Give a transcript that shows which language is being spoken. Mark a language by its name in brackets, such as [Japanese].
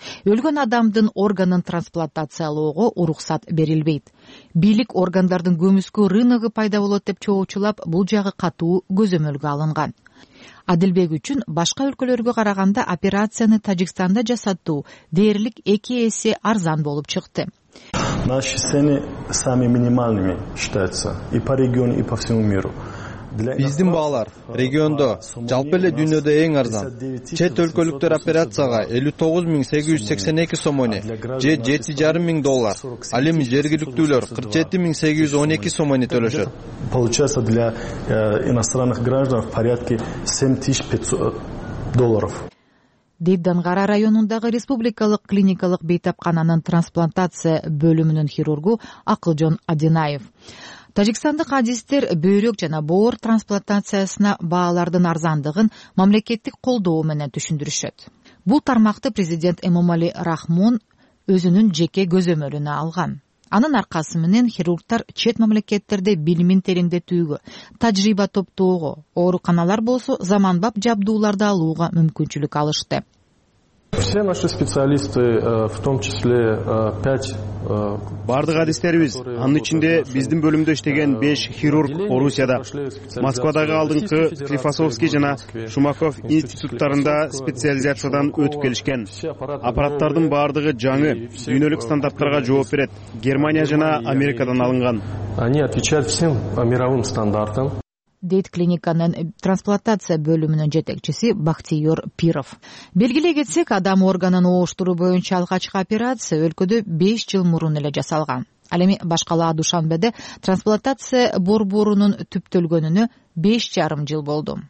[Kyrgyz] Өлгөн адамдын органын трансплантациялоого уруксат берилбейт. Бийлик органдардын көмүскө рыногу пайда болот деп чогуучулап, бул жагы катуу көзөмөлгө алынган. Адилбек үчүн башка өлкөлөргө караганда операцияны Таджикстанда жасатуу дээрлик 2 эсе арзан болуп чыкты. [Russian] Наши цены самые минимальными считаются и по региону, и по всему миру. [Kyrgyz] Биздин баалар региондо, жалпы эле дүйнөдө эң арзан. Чет өлкөлүктөр операцияга 59,882 сом ойне, же 7,5 доллар. Ал эми жергиликтүүлөр 47,812 сом ойне төлөшөт. [Russian] Получается для иностранных граждан в порядке 7500 долларов. [Kyrgyz] Дейт Дангара районундагы республикалык клиникалык бейтапкананын трансплантация бөлүмүнүн хирургу Акылжон Адинаев. Тажикстандык адистер бөйрөк жана боор трансплантациясына баалардын арзандыгын мамлекеттик колдоо менен түшүндүрүшөт. Бул тармакты президент Эмомали Рахмон өзүнүн жеке көзөмөлүнө алган. Анын аркасы менен хирургтар чет мамлекеттерде билимин тереңдетүүгө, тажрыйба топтоого, ооруканалар болсо заманбап жабдууларды алууга мүмкүнчүлүк алышты. [Russian] Все наши специалисты, в том числе 5 [Kyrgyz] бардык адистерибиз, анын ичинде биздин бөлүмдө иштеген 5 хирург Орусияда, Москвадагы алдыңкы Клифосовский жана Шумаков институттарында специализациядан өтүп келишкен. Аппараттардын бардыгы жаңы, дүйнөлүк стандарттарга жооп берет. Германия жана Америкадан алынган. [Russian] Они отвечают всем мировым стандартам. [Kyrgyz] Дейт клиниканын трансплантация бөлүмүнүн жетекчиси Бахтиёр Пиров. Белгилей кетсек, адам органын ооштуруу боюнча алгачкы операция өлкөдө 5 жыл мурун эле жасалган. Ал эми башкалаа Душанбеде трансплантация борборунун түптөлгөнүнө 5,5 жыл болду.